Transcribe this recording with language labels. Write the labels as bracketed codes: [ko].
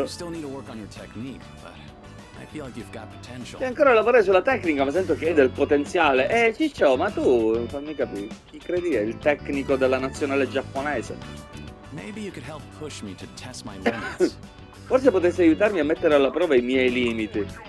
[en] You still need to work on your technique, but I feel like you've got potential. [it] Ti ancora lavorare sulla tecnica, ma sento che hai del potenziale. Ciccio, ma tu, fammi capire, chi credi è il tecnico della nazionale giapponese? [en] Maybe you could help push me to test my limits. [it] Forse potresti aiutarmi a mettere alla prova i miei limiti.